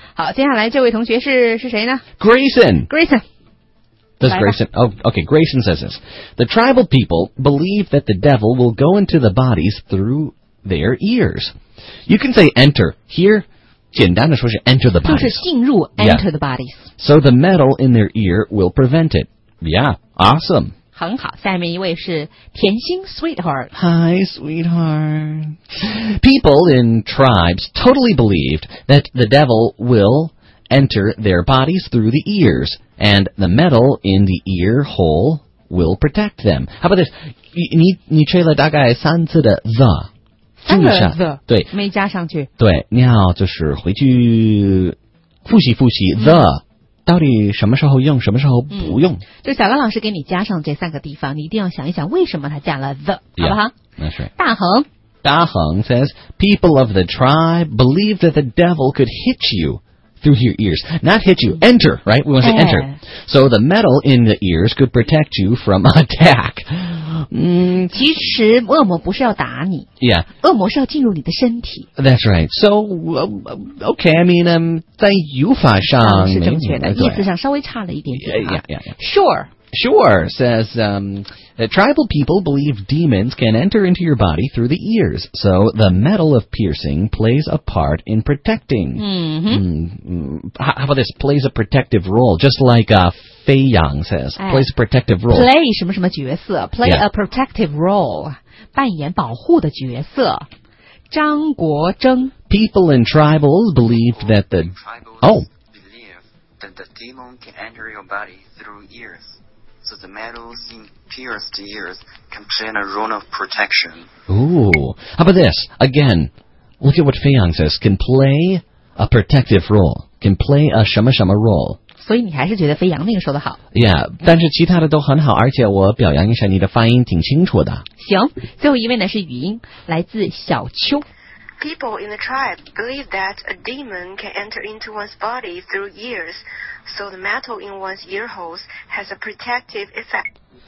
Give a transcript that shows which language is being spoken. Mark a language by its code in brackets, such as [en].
[zh] 好，接下来这位同学是谁呢 [en] ？Grayson。 Does Grayson? Oh, okay. Grayson says this: the tribal people believe that the devil will go into the bodies through their ears. You can say enter here. [zh] 简单的说是 [en] enter the bodies. [zh] 就是进入 enter、 [en] the bodies. So the metal in their ear will prevent it. Yeah, awesome. [zh] 很好，下面一位是甜心 sweetheart. [en] Hi, sweetheart. People in tribes totally believed that the devil will enter their bodies through the ears. And the metal in the ear hole will protect them. How about this? [zh] 你吹了大概三次的 the，三个 the，对，没加上去。对，你要就是回去复习复习 the、嗯、到底什么时候用，什么时候不用。嗯、就小刚老师给你加上这三个地方，你一定要想一想为什么他加了 the， [en] yeah, [zh] 好不好？那是。大恒。 [en] 大恒 says people of the tribe believe that the devil could hit you. Through your ears, not hit you. Enter, right? We want to say enter. So the metal in the ears could protect you from attack. [zh] 其实恶魔不是要打你。 [en] Yeah. [zh] 恶魔是要进入你的身体。 [en] That's right. So, okay, I mean, [zh] 在语法上是正确的，意思上稍微差了一点点。 [en] Sure, says, tribal people believe demons can enter into your body through the ears, so the metal of piercing plays a part in protecting. Mm-hmm. How about this? Plays a protective role, just like, Fei Yang says, plays a protective role. Play [zh] 什么什么角色 [en] play、yeah. a protective role, [zh] 扮演保护的角色。张国征 [en] People in tribals believe that the... Oh! Believe that the demon can enter your body through ears. So the metals in pierced ears can play a role of protection. Ooh. How about this? Again, look at what Fei Yang says. Can play a protective role. Can play a [zh] 什么什么 [en] role. [zh] 所以你还是觉得飞扬那个说的好。 Yeah, 但是其他的都很好，而且我表扬一下你的发音挺清楚的。行，最后一位呢是语音，来自小秋。 [en] People in the tribe believe that a demon can enter into one's body through ears, so the metal in one's ear holes has a protective effect.